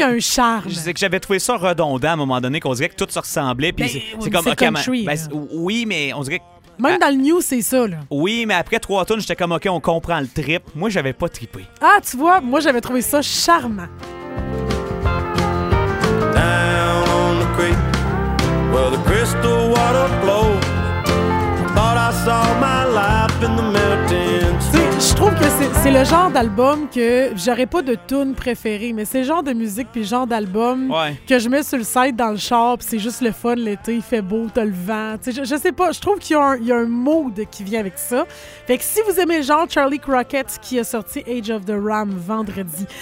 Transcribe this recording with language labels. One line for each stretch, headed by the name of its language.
French: il y a un charme. Je disais que j'avais trouvé ça redondant à un moment donné, qu'on dirait que tout se ressemblait. Puis ben, c'est comme, c'est okay, country. Ben, oui, mais on dirait que... Même dans le new, c'est ça, là. Oui, mais après trois tunes, j'étais comme, OK, on comprend le trip. Moi, j'avais pas trippé. Ah, tu vois, moi, j'avais trouvé ça charmant.
English: Down on the creek, where the crystal water flows. Thought I saw my life in the melting.
French: Je trouve que c'est le genre d'album que j'aurais pas de tune préférée, mais c'est le genre de musique puis le genre d'album que je mets sur le site dans le char, puis c'est juste le fun l'été, il fait beau, t'as le vent. T'sais, je sais pas, je trouve qu'il y a un mood qui vient avec ça. Fait que si vous aimez le genre, Charlie Crockett qui a sorti Age of the Ram vendredi.